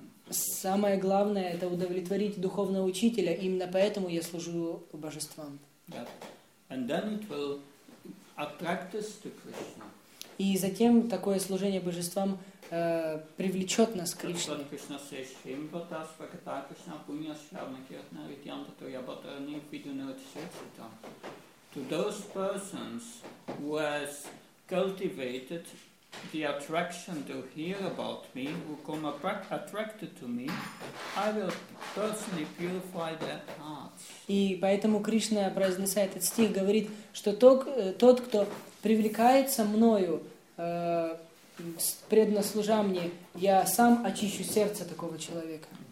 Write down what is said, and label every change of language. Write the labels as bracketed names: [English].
[Russian] Самое главное — это удовлетворить духовного учителя, именно поэтому я служу божествам. [English] And then it will attract us to Krishna. [Russian] И затем такое служение божествам привлечет нас к Кришне. [English] That's what Krishna says, Shrimpata, Svakata, Krishna, Punya, Shravana, Kirtana, Rityanta, Toyabhatarani, Vidunat, Svetsita. To those persons who has cultivated the attraction to hear about me, who come attracted to me, I will personally purify their hearts. [Russian] И поэтому Кришна, произнося этот стих, говорит, что тот, кто привлекается мною, преданно служа мне, я сам очищу сердце такого человека.